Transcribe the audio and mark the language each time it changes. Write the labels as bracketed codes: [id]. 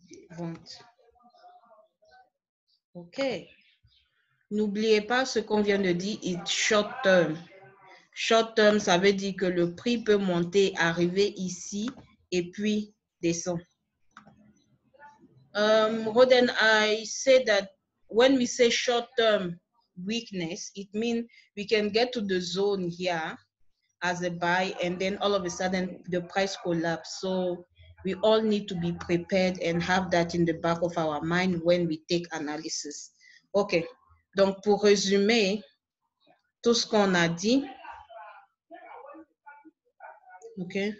[fr] Vente. Ok. N'oubliez pas ce qu'on vient de dire, [en] it's short term. [fr] Short term, ça veut dire que le prix peut monter, arriver ici et puis descendre. [en] Roden, I say that when we say short term weakness, it means we can get to the zone here as a buy and then all of a sudden the price collapse. So we all need to be prepared and have that in the back of our mind when we take analysis. Okay. [fr] Donc, pour résumer tout ce qu'on a dit, OK.